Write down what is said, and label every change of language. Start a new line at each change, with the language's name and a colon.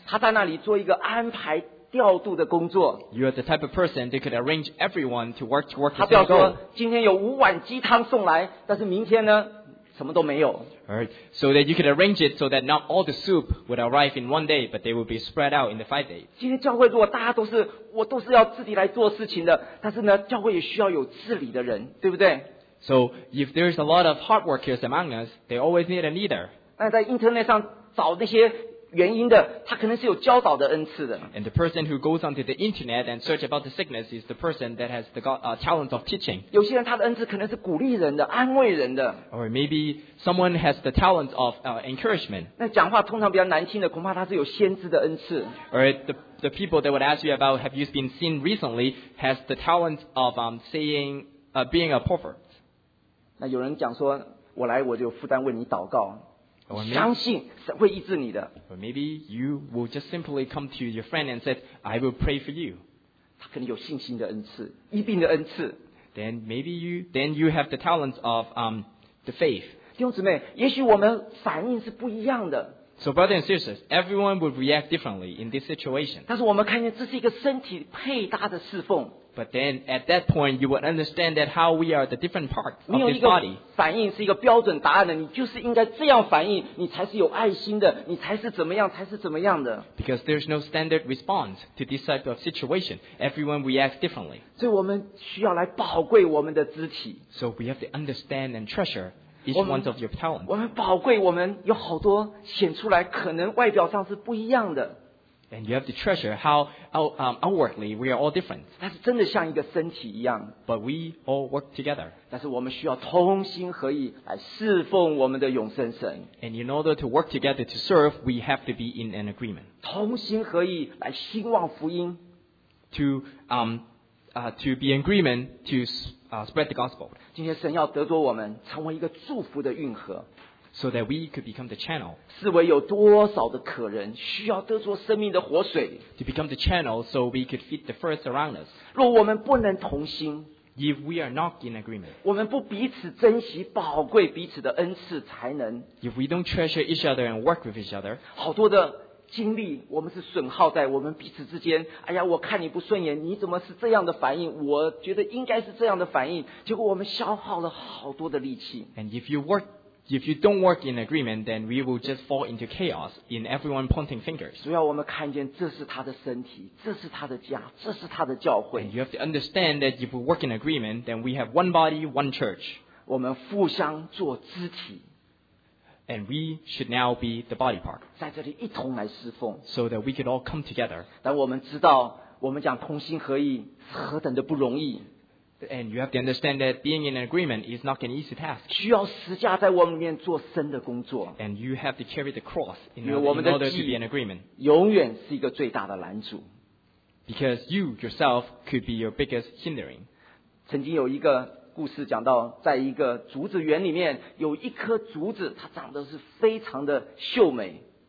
Chinese: 他在那里做一个安排调度的工作。
English: You're the type of person that could arrange everyone to work towards the goal.
Chinese: 他不要说今天有五碗鸡汤送来，但是明天呢，什么都没有。
English: Alright, so that you could arrange it so that not all the soup would arrive in one day, but they would be spread out in the 5 days.
Chinese: 今天教会如果大家都是我都是要自己来做事情的，但是呢，教会也需要有治理的人，对不对？
English: So if there's a lot of hard workers among us, they always need a leader.
Chinese: 那在 internet 上找那些原因的，他可能是有教导的恩赐的。
English: And the person who goes onto the internet and search about the sickness is the person that has the talent of teaching.
Chinese: 有些人他的恩赐可能是鼓励人的，安慰人的。
English: Or maybe someone has the talent of encouragement.
Chinese: 那讲话通常比较难听的，恐怕他是有先知的恩赐。
English: Or the people that would ask you about have you been seen recently has the talent of being a prophet.
Chinese: 那有人讲说，我来我就有负担为你祷告。相信神会医治你的。
English: Or maybe you will just simply come to your friend and said, I will pray for you.
Chinese: 他可能有信心的恩赐，医病的恩赐。
English: Then you have the talents of the faith.
Chinese: 弟兄姊妹，也许我们反应是不一样的。
English: So brothers and sisters, everyone would react differently in this situation.
Chinese: 但是我们看见这是一个身体配搭的侍奉。
English: But then at that point, you would understand that how we are the different parts of this body.
Chinese: 反应是一个标准答案的，你就是应该这样反应，你才是有爱心的，你才是怎么样，才是怎么样的。
English: Because there's no standard response to this type of situation. Everyone reacts differently.
Chinese: 所以我们需要来宝贵我们的肢体。
English: So we have to understand and treasure. Each one of your talents.
Chinese: 我们宝贵，我们有好多显出来，可能外表上是不一样的。
English: And you have to treasure how outwardly we are all different.
Chinese: 但是真的像一个身体一样。
English: But we all work together.
Chinese: 但是我们需要同心合意来侍奉我们的永生神。
English: And in order to work together to serve, we have to be in an agreement.
Chinese: 同心合意来兴旺福音。
English: To be in agreement to spread the gospel.
Chinese: 今天神要得着我们成为一个祝福的运河。
English: So that we could become the channel.
Chinese: 四围有多少的可人需要得着生命的活水。
English: To become the channel so we could feed the first around us.
Chinese: 若我们不能同心。
English: If we are not in agreement.
Chinese: 我们不彼此珍惜宝贵彼此的恩赐才能。
English: If we don't treasure each other and work with each other.
Chinese: 好多的精力我们是损耗在我们彼此之间，哎呀，我看你不顺眼，你怎么是这样的反应，我觉得应该是这样的反应，结果我们消耗了好多的力气。
English: And if you don't work in agreement, then we will just fall into chaos in everyone pointing fingers.
Chinese: 主要我们看见这是他的身体，这是他的家，这是他的教会。
English: And you have to understand that if we work in agreement, then we have one body, one church.
Chinese: 我们互相做肢体。
English: And we should now be the body part.
Chinese: 在这里一同来侍奉。
English: So that we could all come together.
Chinese: 但我们知道，我们讲同心合意，何等的不容易。
English: And you have to understand that being in an agreement is not an easy task.
Chinese: 需要十架在我们里面做深的工作。
English: And you have to carry the cross in order to be in agreement.
Chinese: 永远是一个最大的拦阻。
English: Because you yourself could be your biggest hindering.
Chinese: 曾经有一个故事讲到，在一个竹子园里面，有一棵竹子，它长得是非常的秀美。